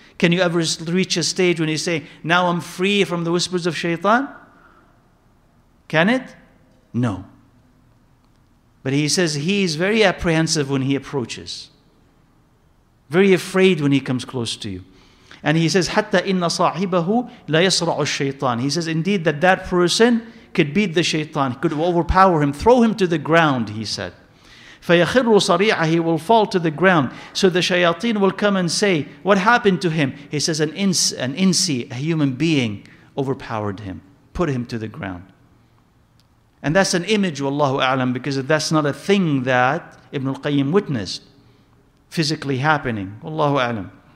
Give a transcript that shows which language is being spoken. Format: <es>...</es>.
<en>Can you ever reach a stage when you say, now I'm free from the whispers of shaitan? Can it? No. But he says he is very apprehensive when he approaches. Very afraid when he comes close to you. And he says,</en> <ar>حَتَّى إِنَّ صَاحِبَهُ لَيَصْرَعُ الشَّيْطَانِ.</ar> <en>He says, indeed, that person could beat the shaitan, could overpower him, throw him to the ground, he said.</en> <ar>فَيَخِرُّ صَرِيعًا.</ar> <en>He will fall to the ground. So the shayateen will come and say, what happened to him? He says, an insi, a human being, overpowered him, put him to the ground. And that's an image, wallahu a'lam, because that's not a thing that Ibn al-Qayyim witnessed physically happening, wallahu a'lam.</en>